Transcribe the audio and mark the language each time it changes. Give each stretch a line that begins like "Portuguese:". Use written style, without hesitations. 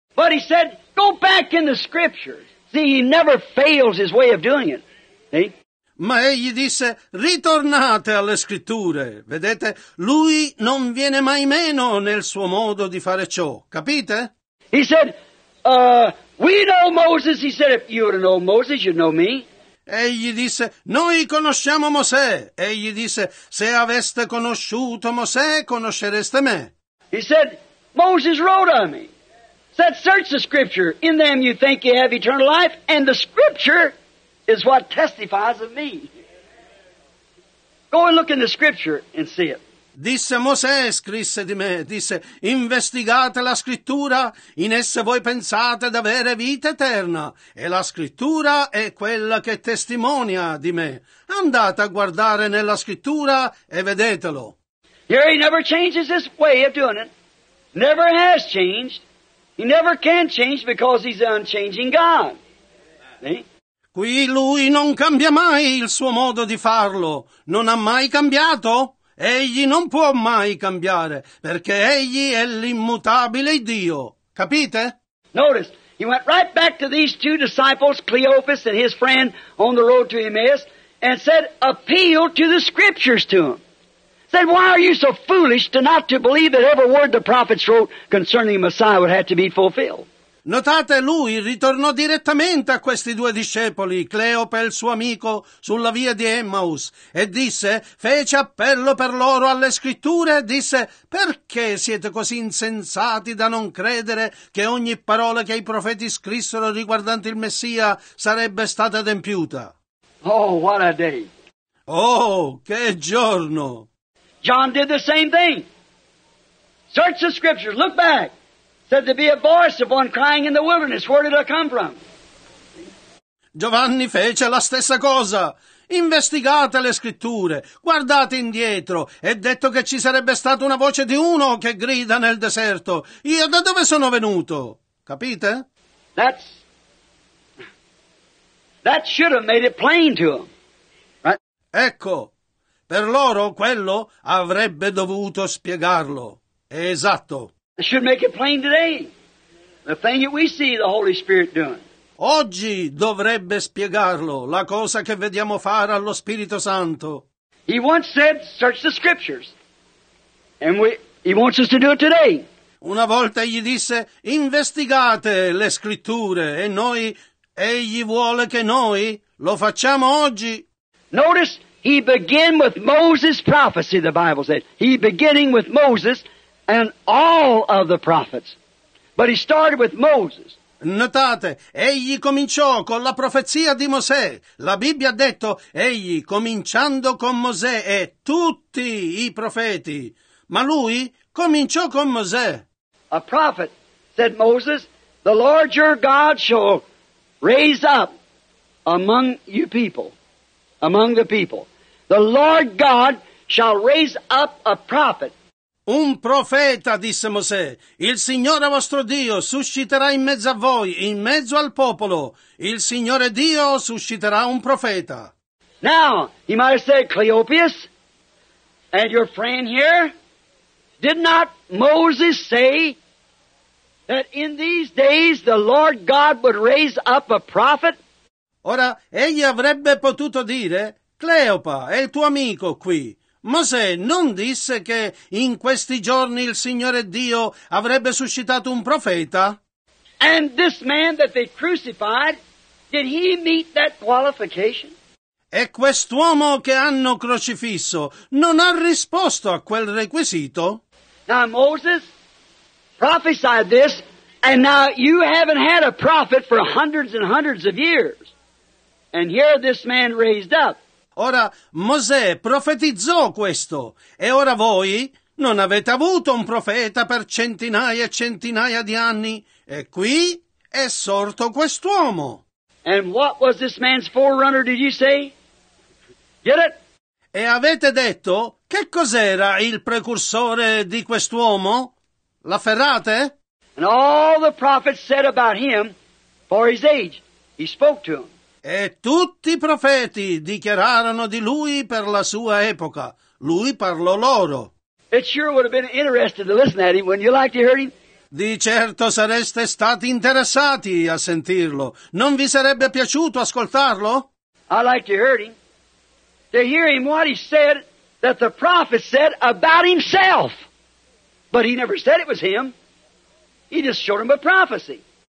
English: But he said, go back in the scriptures. See, he never fails his way of doing it. See?
Italian: Ma egli disse, ritornate alle scritture. Vedete, lui non viene mai meno nel suo modo di fare ciò. Capite?
English: He said, we know Moses. He said, if you were to know Moses, you'd know me.
Italian: Egli disse, noi conosciamo Mosè. Egli disse, se aveste conosciuto Mosè, conoscereste me.
English: He said, Moses wrote on me. Said, search the scripture. In them you think you have eternal life, and the scripture is what testifies of me. Go and look in the scripture and see it.
Italian: Disse Mosè, scrisse di me, disse, investigate la scrittura, in essa voi pensate d'avere vita eterna, e la scrittura è quella che testimonia di me. Andate a guardare nella scrittura e vedetelo.
English: Here he never changes his way of doing it. Never has changed. He never can change because he's an unchanging God. See?
Italian: Qui lui non cambia mai il suo modo di farlo. Non ha mai cambiato. Egli non può mai cambiare, perché egli è l'immutabile Dio. Capite?
English: Notice, he went right back to these two disciples, Cleophas and his friend on the road to Emmaus, and said, appeal to the scriptures to him. Said, why are you so foolish to not to believe that every word the prophets wrote concerning the Messiah would have to be fulfilled?
Italian: Notate, lui ritornò direttamente a questi due discepoli, Cleope e il suo amico, sulla via di Emmaus, e disse, fece appello per loro alle scritture, e disse, perché siete così insensati da non credere che ogni parola che i profeti scrissero riguardante il Messia sarebbe stata adempiuta?
English: Oh, what a day!
Italian: Oh, che giorno!
English: John did the same thing. Search the scriptures, look back. Said there be a voice of one crying in the wilderness. Where did it come from?
Italian: Giovanni fece la stessa cosa. Investigate le scritture. Guardate indietro. È detto che ci sarebbe stata una voce di uno che grida nel deserto. Io da dove sono venuto? Capite?
English: That should have made it plain to them. Right?
Italian: Ecco. Per loro quello avrebbe dovuto spiegarlo. Esatto.
English: It should make it plain today. The thing that we see the Holy Spirit doing.
Italian: Oggi dovrebbe spiegarlo la cosa che vediamo fare allo Spirito Santo.
English: He once said, "Search the Scriptures," and he wants us to do it today.
Italian: Una volta egli disse, "Investigate le Scritture," e noi egli vuole che noi lo facciamo oggi.
English: Notice he began with Moses' prophecy. The Bible says he beginning with Moses. And all of the prophets. But he started with Moses.
Italian: Notate, egli cominciò con la profezia di Mosè. La Bibbia ha detto, egli cominciando con Mosè e tutti i profeti. Ma lui cominciò con Mosè.
English: A prophet, said Moses, the Lord your God shall raise up among you people, among the people. The Lord God shall raise up a prophet.
Italian: Un profeta, disse Mosè, il Signore vostro Dio susciterà in mezzo a voi, in mezzo al popolo. Il Signore Dio susciterà un profeta.
English: Now, he might have said, Cleopas, and your friend here, did not Moses say that in these days the Lord God would raise up a prophet?
Italian: Ora, egli avrebbe potuto dire, Cleopa, è il tuo amico qui. Mosè non disse che in questi giorni il Signore Dio avrebbe suscitato un profeta?
English: And this man that they crucified, did he meet that qualification?
Italian: E quest'uomo che hanno crocifisso non ha risposto a quel requisito?
English: Now Moses prophesied this, and now you haven't had a prophet for hundreds and hundreds of years. And here this man raised up.
Italian: Ora, Mosè profetizzò questo, e ora voi non avete avuto un profeta per centinaia e centinaia di anni, e qui è sorto quest'uomo.
English: And what was this man's forerunner, did you say? Get it?
Italian: E avete detto, che cos'era il precursore di quest'uomo? L'afferrate?
English: And all the prophets said about him, for his age, he spoke to him.
Italian: E tutti i profeti dichiararono di lui per la sua epoca. Lui parlò loro.
English: It sure would have been interesting to listen at him. Wouldn't you like to hear him?
Italian: Di certo sareste stati interessati a sentirlo. Non vi sarebbe piaciuto ascoltarlo?
English: I like to hear him. To hear him what he said that the prophet said about himself. But he never said it was him. He just showed him a prophecy.